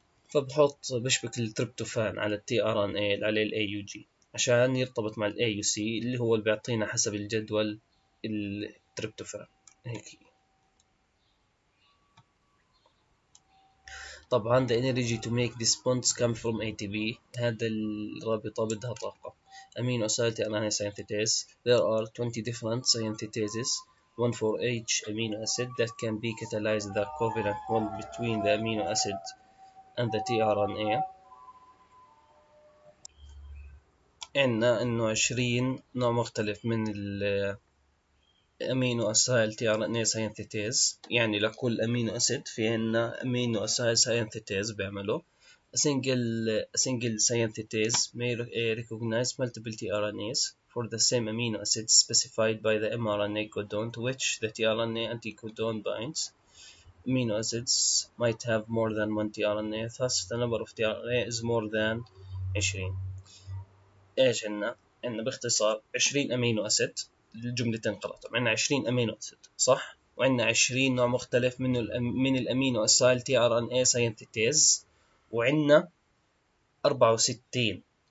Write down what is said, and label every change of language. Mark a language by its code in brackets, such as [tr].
[ar] فبحط بشبك التريبتوفان على الـ tRNA اللي عليه الـ AUG عشان يرتبط مع الـ AUC اللي هو اللي بيعطينا حسب الجدول التريبتوفان. هيك طبعا [en] the energy to make these bonds come from ATP، [ar] هذا الرابطة بدها طاقة. [en] amino acid tRNA synthetase there are 20 different synthetases one for each amino acid that can be catalyzed the covalent bond between the amino acid and the tRNA. [ar] عندنا انه 20 نوع مختلف من الامينو اسايل تي ار ان اي سينثيتيز، يعني لكل امينو اسيد في عندنا امينو اسايل سينثيتيز بيعملوا سينجل سينثيتيز [en] may recognize multiple tRNAs for the same amino acid specified by the mRNA codon to which the tRNA anticodon binds. Amino acids might have more than one tRNA, thus the number of tRNA is more than 20. [ar] ايش عندنا؟ عندنا باختصار 20 امينو اسيد، الجملتين قرأت، عندنا 20 امينو اسيد صح؟ وعندنا 20 نوع مختلف من الامينو اسايل تي ار ان اي سينثيتيز، وعندنا 64